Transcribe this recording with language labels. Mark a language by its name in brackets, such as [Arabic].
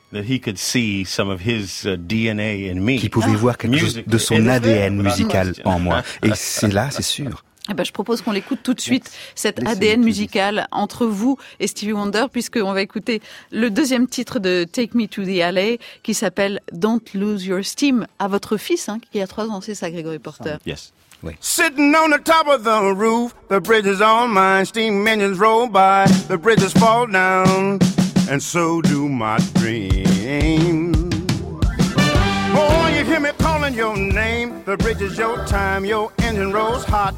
[English] that he could see some of his DNA in me. [French] Qu'il pouvait voir quelque chose de son ADN musical en moi. Et c'est là, c'est sûr. Eh ben, je propose qu'on l'écoute tout de suite, cet ADN musical entre vous et Stevie Wonder, puisqu'on va écouter le deuxième titre de Take Me to the Alley, qui s'appelle Don't Lose Your Steam, à votre fils, hein, qui a 3 ans, c'est ça, Gregory Porter. [English] Yes. [French] Oui. [English] Sitting on the top of the roof, the bridge is on mine, steam engines roll by, the bridges fall down, and so do my dreams. Hear me calling your name. The bridge is your time. Your engine rolls hot.